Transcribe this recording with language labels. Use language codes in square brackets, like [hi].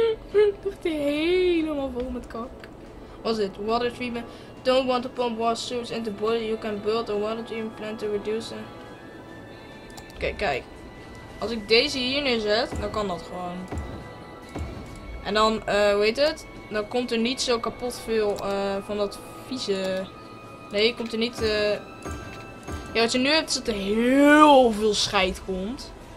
[nl] Het ligt hier helemaal vol met kak. Was dit? Water treatment. [en] Don't want to pump water sewers into body. You can build a water treatment plant to reduce it. [nl] Oké, kijk. Als ik deze hier neerzet, dan kan dat gewoon. En dan, hoe heet het? Dan komt er niet zo kapot veel van dat vieze. Nee, komt er niet. Ja, wat je nu hebt is dat er heel veel scheid komt.